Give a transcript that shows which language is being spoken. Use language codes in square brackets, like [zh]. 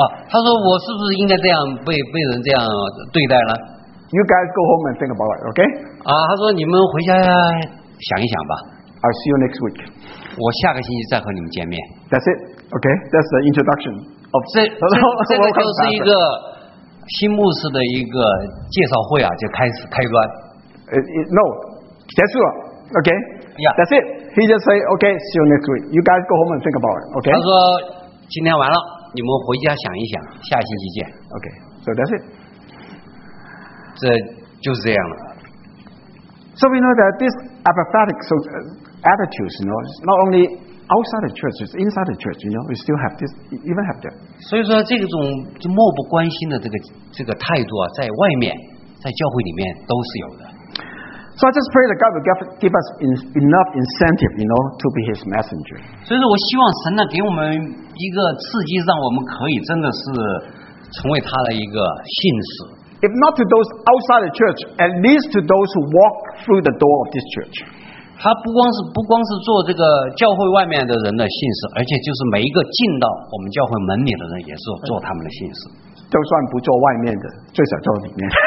[zh] 他说我是不是应该这样被人这样对待呢？ [en] You guys go home and think about it, okay? [zh] 他说你们回家想一想吧。 [en] I'll see you next week. [zh] 我下个星期再和你们见面。 [en] That's it, okay? That's the introduction of [zh] 这个就是一个新牧师的一个介绍会就开端。 [en] No, [zh] 结束了 [en] okay? Yeah. That's it. He just say, okay, see you next week. You guys go home and think about it, okay? [zh] 他说今天完了，你们回家想一想，下星期见。 [en] Okay, so that's it. [zh] 这就是这样了。 [en] So we know that this apathetic so attitudes, you know, not only outside the church, it's inside the church, you know, we still have this, even have that. [zh] 所以说这种漠不关心的这个态度啊，在外面，在教会里面都是有的。 [en] So I just pray that God will give us enough incentive, you know, to be His messenger. [zh] 所以说我希望神呢给我们一个刺激，让我们可以真的是成为他的一个信使。 [en] If not to those outside the church, at least to those who walk through the door of this church. [zh] 他不光是做这个教会外面的人的信使，而且就是每一个进到我们教会门里的人，也是做他们的信使。就算不做外面的，最少做里面。